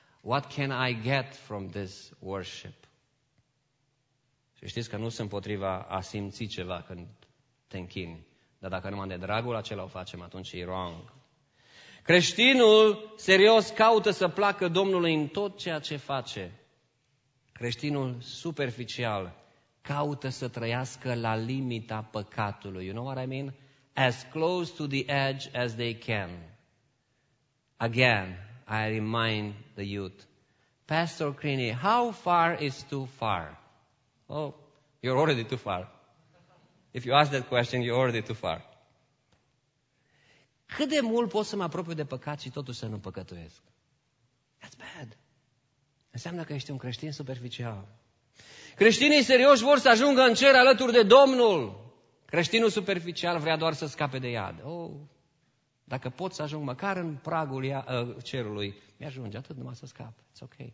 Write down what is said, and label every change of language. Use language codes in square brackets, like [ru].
[en] What can I get from this worship? [ro] Și știți că nu sunt împotriva a simți ceva când te închini. Dar dacă numai de dragul acela o facem, atunci e wrong. Creștinul serios caută să placă Domnului în tot ceea ce face. Creștinul superficial caută să trăiască la limita păcatului. [en] You know what I mean? As close to the edge as they can. Again, I remind the youth. Pastor Crini, how far is too far? Oh, you're already too far. If you ask that question, you're already too far. [ro] Cât de mult pot să mă apropiu de păcat și totuși să nu păcătuiesc? [en] That's bad. [ro] Înseamnă că ești un creștin superficial. Creștinii serioși vor să ajungă în cer alături de Domnul. Creștinul superficial vrea doar să scape de iad. Oh, dacă pot să ajung măcar în pragul cerului, mi-ajunge atât numai să scap. [en] It's ok.